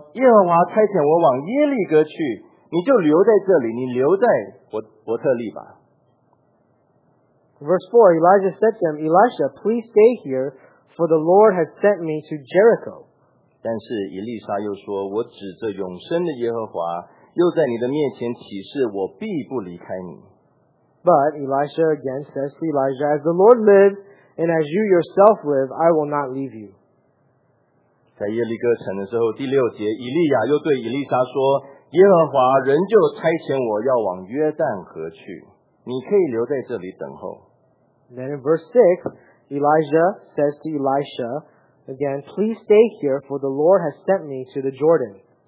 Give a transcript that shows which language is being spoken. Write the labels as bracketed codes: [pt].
[zh] 第四节，以利亚那个时候又对以利莎说，耶和华差遣我往耶利哥去。你就留在这里，你留在伯特利吧。 [en] Verse 4, Elijah said to him, Elisha, please stay here, for the Lord has sent me to Jericho. [zh] 但是以利莎又说，我指着永生的耶和华，又在你的面前起誓，我必不离开你。 [en] But Elisha again says to Elijah, as the Lord lives, and as you yourself live, I will not leave you. [zh] 在耶利哥城的时候，第六节，以利亚又对以利莎说， 耶和华仍旧差遣我要往约旦河去，你可以留在这里等候。 [en] Then in verse 6, Elijah says to Elisha, again, please stay here, for the Lord has sent me to the Jordan.